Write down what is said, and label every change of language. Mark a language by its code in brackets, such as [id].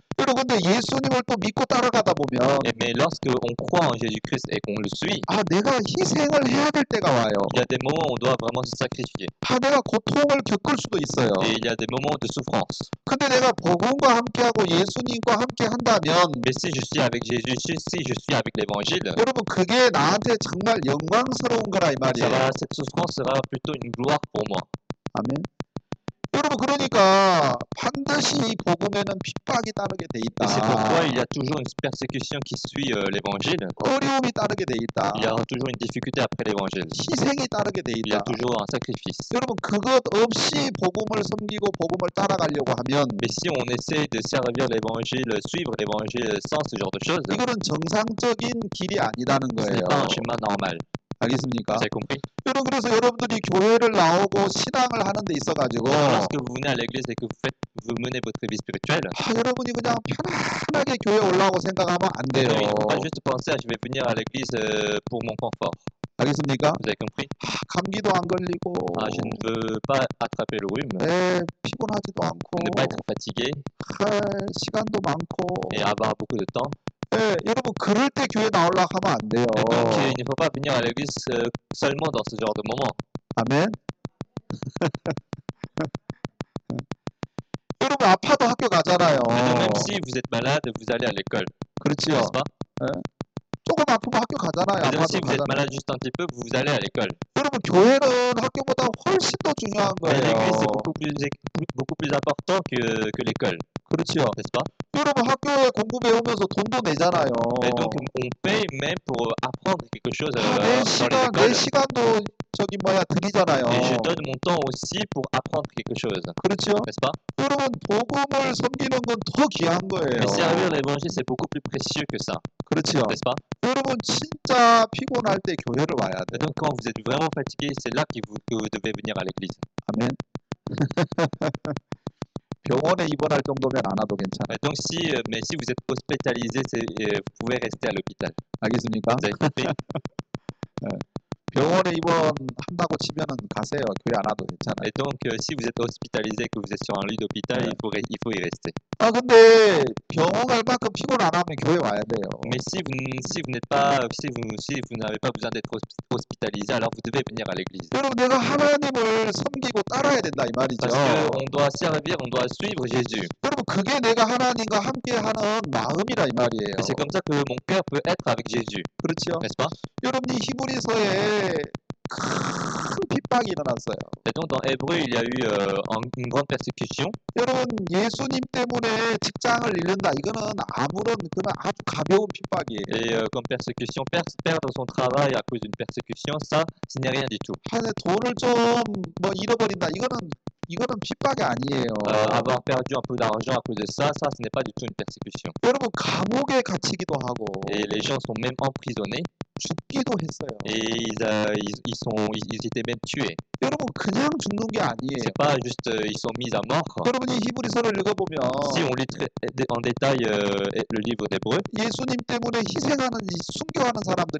[ko] 여러분, 근데 예수님을 또 믿고 따라가다 보면, [fr] Mais lorsque on croit en Jésus-Christ et qu'on le suit, [ko] 아, 내가 희생을 해야 될 때가 와요. [fr] il y a des moments où on doit vraiment se sacrifier. [ko] 아, 내가 고통을 겪을 수도 있어요. [fr] Et il y a des moments de souffrance. [ko] 근데 내가 복음과 함께하고 예수님과 함께 한다면, [fr] Mais si je suis avec Jésus, si je suis avec l'Évangile, [ko] 여러분, 그게 나한테 정말 영광스러운 거라 이 말이에요. [fr] cette souffrance sera plutôt une gloire pour moi. [ko] 아멘. 여러분, 그러니까 반드시 복음에는 핍박이 따르게 돼 [fr] Et c'est pourquoi il y [ko] 있다. [fr] a toujours une persécution qui suit l'évangile. [ko] 어려움이 따르게 돼 [fr] Il y [ko] 있다. [fr] aura toujours une difficulté après l'évangile. [ko] 희생이 따르게 돼 [fr] Il y a [ko] 있다. [fr] toujours un sacrifice. [ko] 여러분, 그것 없이 복음을 섬기고 복음을 따라가려고 하면 [fr] Mais si on essaie de servir l'évangile, suivre l'évangile sans ce genre de choses, [ko] 이거는 정상적인 길이 아니라는 [fr] ce n'est pas un schéma normal. [ko] 알겠습니까? [fr] Vous avez compris? [ko] 그래서 여러분들이 교회를 나오고 신앙을 하는 데 있어가지고, [fr] lorsque vous venez à l'église et que vous menez votre vie spirituelle, [ko] 여러분이 그냥 편안하게 교회 오려고 생각하면 안 [fr] vous ne devez pas [ko] 돼요. [fr] juste penser à je vais venir à l'église pour mon confort. [ko] 알겠습니까? [fr] Vous avez compris? [ko] 감기도 안 [fr] Ah, je ne [ko] 걸리고, [fr] veux pas attraper le rhume, [ko] 피곤하지도 [fr] ne pas être [ko] 않고, [fr] fatigué [ko] 시간도 [fr] et [ko] 많고. [fr] avoir beaucoup de temps. [ko] 여러분, 그럴 때 교회 나오려고 하면 안 [fr] Et donc, il [ko] 돼요. [fr] ne faut pas venir à l'église seulement dans ce genre de moment. [ko] 아멘. 여러분, 아파도 학교 가잖아요. [fr] Mais de même si vous êtes malade, vous allez à l'école. [ko] 그렇지요. [fr] n'est-ce pas? [ko] Joue 아프면 학교 가잖아요. [fr] Mais de même [ko] 아파도 [fr] si vous êtes [ko] 가잖아요. [fr] malade juste un petit peu, vous allez à l'école. [ko] 여러분, 교회는 학교보다 훨씬 더 중요한 [fr] Mais l'église est [ko] 거예요. [fr] beaucoup plus important que l'école. [ko] 그렇지요. [fr] N'est-ce pas? [ko] 여러분, 학교에 공부 배우면서 돈도 내잖아요. [fr] Et donc, on paye même pour apprendre quelque chose dans les écoles. [ko] 시간도 저기 뭐야 드리잖아요. [fr] Et je donne mon temps aussi pour apprendre quelque chose. [ko] 그렇죠? [fr] N'est-ce pas? [ko] Alors, 복음을 섬기는 건더 귀한 [fr] Mais servir [ko] 거예요. [fr] l'évangile, c'est beaucoup plus précieux que ça. [ko] 그렇죠? [fr] N'est-ce pas? [ko] Alors, 진짜 피곤할 때 교회를 와야 [fr] Et donc, quand vous êtes vraiment fatigué, c'est là que vous devez venir à l'église. [ko] 아멘. 병원에 입원할 정도면 안 와도 [fr] Et donc, si, mais si vous êtes hospitalisé, vous pouvez rester à l'hôpital. [ko] 괜찮아. 알겠습니까? [fr] Vous avez compris? [ko] 병원에 입원한다고 치면은 가세요. 교회 안 와도 괜찮아요. [fr] Et donc, si vous êtes hospitalisé, que vous êtes sur un lit d'hôpital, il faut y rester. [ko] 근데 병원 갈 만큼 피곤 안 하면 교회 와야 [fr] Mais [ko] 돼요. [fr] si vous n'êtes pas, si vous n'avez pas besoin d'être hospitalisé, alors vous devez venir à l'église. [ko] Alors, 내가 하나님을 섬기고 따라야 된다 이 [fr] Parce [ko] 말이죠. [fr] qu'on doit servir, on doit suivre Jésus. [ko] Alors, 그게 내가 하나님과 함께하는 마음이라 이 [fr] Et c'est comme ça que mon cœur peut être avec Jésus. [ko] 그렇죠? [fr] N'est-ce pas? [ko] 여러분이 히브리서에 큰 핍박이 일어났어요. [fr] Et donc, dans Hébreu, il y a eu une grande persécution. [ko] 여러분, 예수님 때문에 직장을 잃는다. 이거는 아무런 그냥 아주 가벼운 [fr] Et [ko] 핍박이에요. [fr] comme persécution, perdre son travail à cause d'une persécution, ça, ce n'est rien du tout. [ko] dollars 좀뭐 잃어버린다. 이거는 핍박이 아니에요. [fr] avoir perdu un peu d'argent à cause de ça, ce n'est pas du tout une persécution. [ko] 여러분, 감옥에 갇히기도 [fr] Et [ko] 하고 [fr] les gens sont même emprisonnés. [ko] 죽기도 했어요. [fr] et ils étaient même tués. [ko] 여러분, 그냥 죽는 게 [fr] C'est [ko] 아니에요. [fr] pas juste ils sont mis à mort. [ko] 여러분이 히브리서를 [fr] Si on [ko] 읽어보면 [fr] lit en détail le livre d'Hébreux, [ko] 예수님 때문에 희생하는 이 순교하는 사람들이